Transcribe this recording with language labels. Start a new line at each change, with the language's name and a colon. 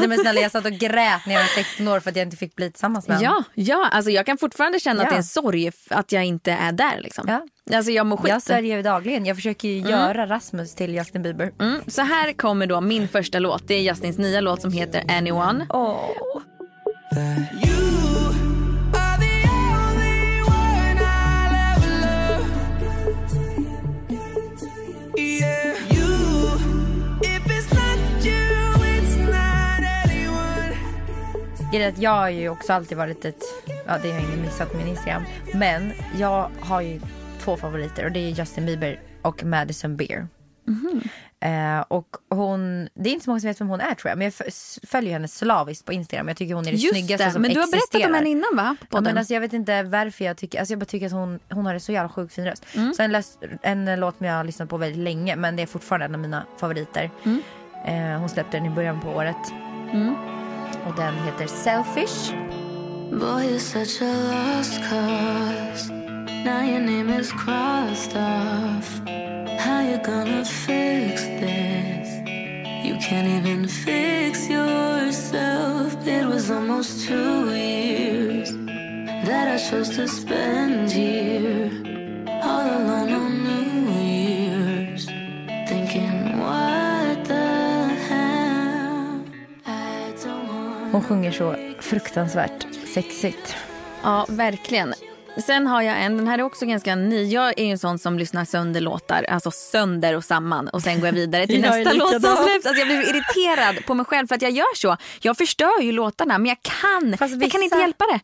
Swedish: Nej men snälla, jag satt och grät när jag var 16 år för att jag inte fick bli tillsammans med honom. Ja, alltså jag kan fortfarande känna att det är en sorg att jag inte är där liksom. Ja. Alltså jag mår skit. Jag sörjer ju dagligen. Jag försöker ju göra Rasmus till Justin Bieber. Så här kommer då min första låt. Det är Justins nya låt som heter Anyone.
English: You are the only one I'll ever love. Yeah. You, if it's not you, it's not anyone.
Swedish: Det är att jag har ju också alltid varit ett... Ja, det har jag ingen missat på min Instagram. Men jag har ju... två favoriter, och det är Justin Bieber och Madison Beer. Och hon, det är inte så många som vet vem hon är, tror jag, men jag följer henne slaviskt på Instagram. Jag tycker hon är det snyggaste som existerar. Men du har berättat om henne innan, va? Ja, men alltså, jag vet inte varför jag tycker, alltså jag bara tycker att hon har en så jävla sjukt fin röst. Så en låt som jag har lyssnat på väldigt länge, men det är fortfarande en av mina favoriter. Hon släppte den i början på året. Och den heter Selfish.
English: Boy, you're such a lost cause. Now your name is crossed off. How you gonna fix this? You can't even fix yourself. It was almost 2 years that I chose to spend here, all alone on New Year's, thinking what the hell. I don't want.
Swedish: Hon sjunger så fruktansvärt sexigt. Ja, verkligen. Sen har jag en, den här är också ganska ny. Jag är ju en sån som lyssnar sönder låtar, alltså sönder och samman, och sen går jag vidare till nästa låt som släpps. Alltså jag blir irriterad på mig själv för att jag gör så. Jag förstör ju låtarna, men jag kan inte hjälpa det.